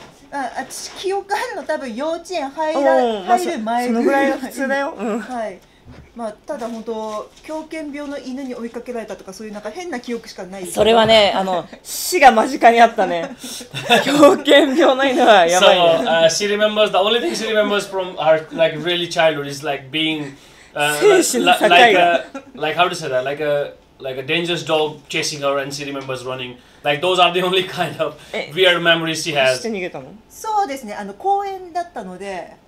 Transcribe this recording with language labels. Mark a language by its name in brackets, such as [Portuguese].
[Japanese] あ、私記憶あるの多分幼稚園入る前ぐらい。そのぐらいの普通だよ、うん、はい。まあ、ただ本当狂犬病の犬に追いかけられたとかそういうなんか変な記憶しかないですそれはね、あの死が間近にあったね。狂犬病の犬はやばいね。 [English] So, she remembers, the only thing she remembers from her like really childhood is like being like how to say that, like a dangerous dog chasing her and she remembers running. Like those are the only kind of weird memories she has. [Japanese] して逃げたの？そうですね、あの公園だったので、